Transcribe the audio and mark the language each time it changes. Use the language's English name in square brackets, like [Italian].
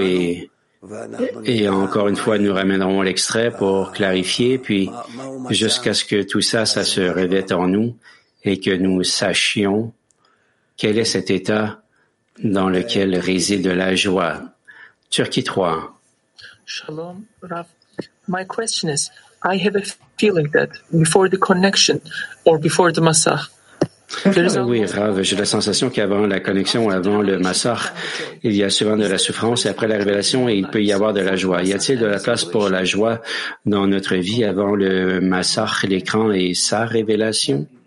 [French] Et encore une fois, nous ramènerons l'extrait pour clarifier, puis jusqu'à ce que tout ça, ça se revête en nous et que nous sachions quel est cet état dans lequel réside la joie. Turquie 3. [Hebrew] Shalom, Rav. [English] My question is, I have a feeling that before the connection or before the massach, there is a... [French] Oui, Rav, j'ai la sensation qu'avant la connexion, avant le massach, il y a souvent de la souffrance et après la révélation, il peut y avoir de la joie. Y a-t-il de la place pour la joie dans notre vie avant le massach, l'écran et sa révélation?